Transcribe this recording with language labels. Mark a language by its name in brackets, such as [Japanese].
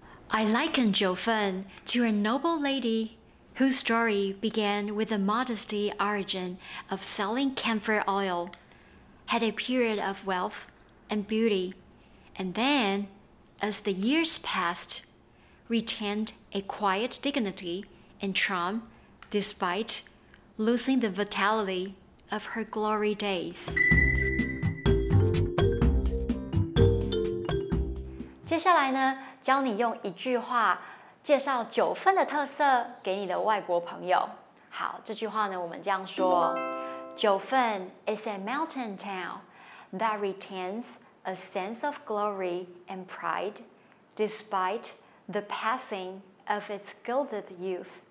[English] I liken Jiufen to a noble lady whose story began with the modesty origin of selling camphor oil, had a period of wealth and beauty, and then, as the years passed, retained a quiet dignity and charm despite losing the vitality of her glory days. [Chinese] 接下来呢，教你用一句话介绍九份的特色给你的外国朋友。好，这句话呢，我们这样说： [English] Jiufen is a mountain town that retains a sense of glory and pride despite the passing of its gilded youth.